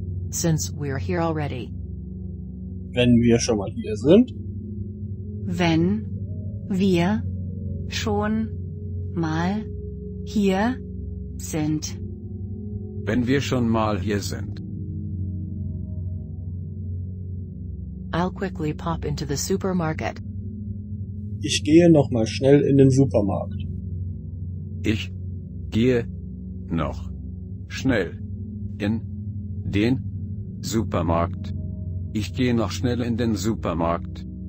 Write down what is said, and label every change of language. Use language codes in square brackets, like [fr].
[en] Since we're here already. [de] Wenn wir schon mal hier sind. Wenn wir schon mal hier sind. Wenn wir schon mal hier sind. [en] I'll quickly pop into the supermarket. [de] Ich gehe noch mal schnell in den Supermarkt. Ich gehe noch schnell in den Supermarkt. Ich gehe noch schnell in den Supermarkt.